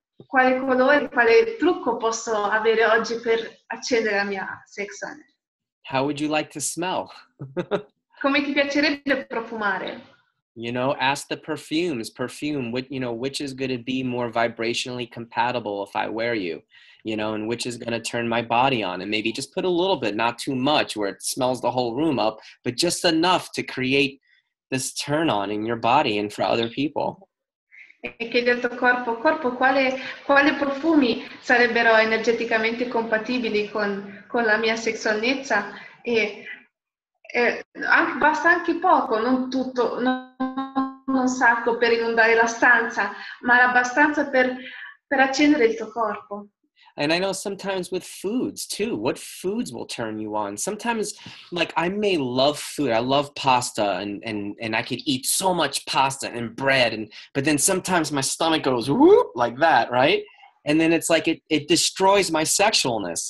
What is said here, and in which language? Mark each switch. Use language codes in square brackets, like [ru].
[it] quale colore, quale trucco posso avere oggi per accendere la mia [en] sex energy? How would you like to smell? [it] Come ti piacerebbe profumare? [en] You know, ask the perfume, which is going to be more vibrationally compatible if I wear you, you know, and which is going to turn my body on, and maybe just put a little bit, not too much where it smells the whole room up, but just enough to create this turn on in your body and for other people. [it] E chiedi al tuo corpo quale profumi sarebbero energeticamente compatibili con la mia sessualità e basta anche poco, non tutto, non un sacco per inondare la stanza, ma abbastanza per accendere il tuo corpo. [en] And I know sometimes with foods too, what foods will turn you on? Sometimes, like, I may love food. I love pasta and I could eat so much pasta and bread. But then sometimes my stomach goes whoop like that, right? And then it's like it destroys my sexualness.